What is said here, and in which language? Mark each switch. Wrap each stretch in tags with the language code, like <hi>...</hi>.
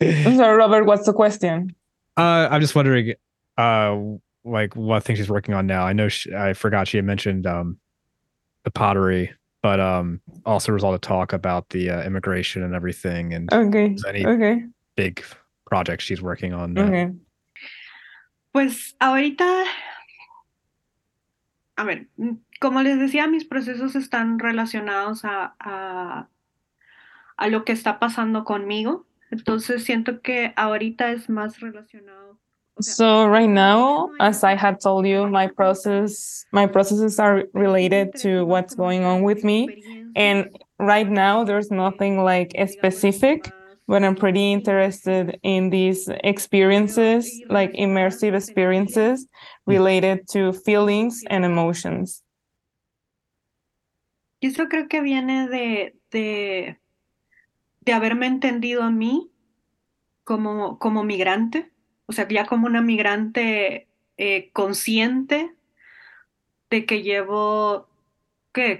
<en>So Robert, what's the question? I'm just wondering, like what things she's working on now. I know I forgot she had mentioned the pottery, but also there was all the talk about the immigration and everything. And okay, any okay, big projects she's working on. Okay.</en> <es>Pues ahorita, a ver, como les decía, mis procesos están relacionados a lo que está pasando conmigo. Entonces siento que ahorita es más relacionado.</es> <en>So right now, as I had told you, my processes are related to what's going on with me. And right now, there's nothing like specific, but I'm pretty interested in these experiences, like immersive experiences related to feelings and emotions.</en> <es>Eso creo que viene de haberme entendido a mí como migrante. O sea, ya como una migrante consciente de que llevo, ¿qué?</es>